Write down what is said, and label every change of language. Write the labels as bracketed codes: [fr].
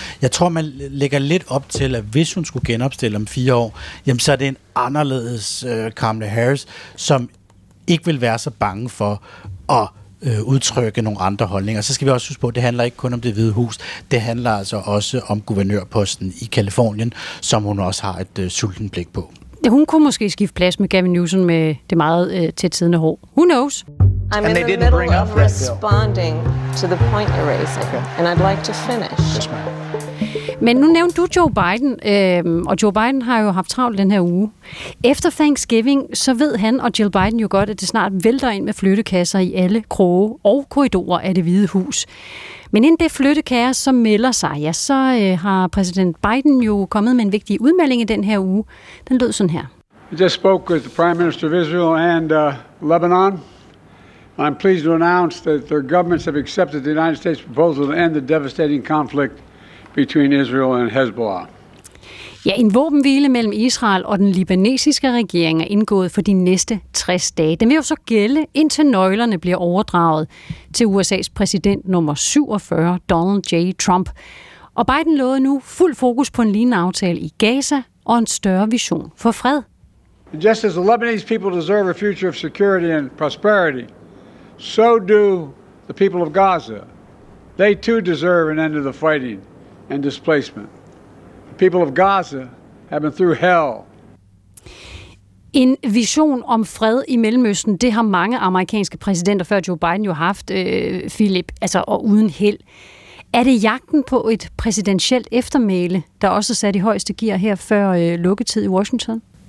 [da] Jeg tror, man lægger lidt op til, at hvis hun skulle genopstille om 4 år, jamen så er det en anderledes Kamala Harris, som ikke vil være så bange for at udtrykke nogle andre holdninger. Så skal vi også huske på, at det handler ikke kun om Det Hvide Hus. Det handler altså også om guvernørposten i Californien, som hun også har et sulten blik på. Hun kunne måske skifte plads med Gavin Newsom med det meget tæt siddende hår. [en] Who knows? I'm in the middle of responding to the point you're raising, and I'd like to finish. [da] Men nu nævnte du Joe Biden, og Joe Biden har jo haft travlt den her uge. Efter Thanksgiving, så ved han og Jill Biden jo godt, at det snart vælter ind med flyttekasser i alle kroge og korridorer af Det Hvide Hus. Men inden det flyttekaos, som melder sig, ja, så har præsident Biden jo kommet med en vigtig udmelding i den her uge. Den lød sådan her. [en] I just spoke with the Prime Minister of Israel and Lebanon. I'm pleased to announce that their governments have accepted the United States proposal to end the devastating conflict between Israel and Hezbollah. [da] Ja, en våbenhvile mellem Israel og den libanesiske regering er indgået for de næste 60 dage. Den vil jo så gælde, indtil nøglerne bliver overdraget til USA's præsident nummer 47, Donald J. Trump. Og Biden lovede nu fuld fokus på en lignende aftale i Gaza og en større vision for fred. [en] Just as the Lebanese people deserve a future of security and prosperity, so do the people of Gaza. They too deserve an end to the fighting and displacement. People of Gaza have been through hell. [da] En vision om fred i Mellemøsten, det har mange amerikanske præsidenter før Joe Biden jo haft, Philip, altså og uden held. Er det jagten på et præsidentielt eftermæle, der også er sat i højeste gear her før lukketid i Washington?